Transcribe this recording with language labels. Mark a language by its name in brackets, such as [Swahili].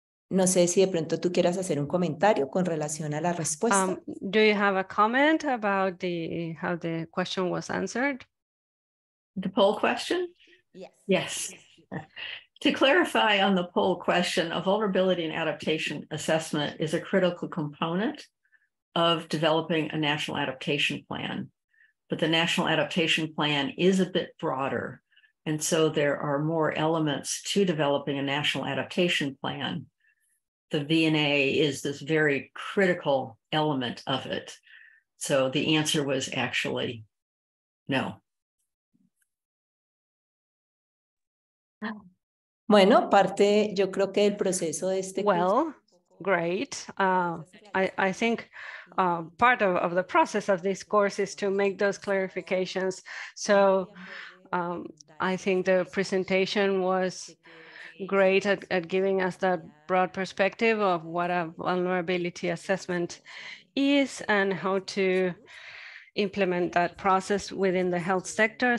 [Spanish] No sé si de pronto tú quieras hacer un comentario con relación a la respuesta. [English] Do you have a comment about the how the question was answered? The poll question? Yes. To clarify on the poll question, a vulnerability and adaptation assessment is a critical component of developing a national adaptation plan. But the national adaptation plan is a bit broader. And so there are more elements to developing a national adaptation plan. The VNA is this very critical element of it. So the answer was actually no. [Spanish] Bueno, parte, yo creo que el proceso de este... [English] Well, great. I think part of the process of this course is to make those clarifications. So I think the presentation was great at giving us that broad perspective of what a vulnerability assessment is and how to implement that process within the health sector.